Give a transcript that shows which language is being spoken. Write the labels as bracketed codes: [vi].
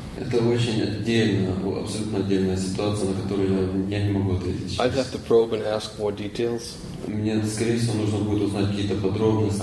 [ru] Это очень отдельно, абсолютно отдельная ситуация, на которую я не могу ответить. [en] I'd have to probe and ask more details. [ru] Мне, скорее всего, нужно будет узнать какие-то подробности.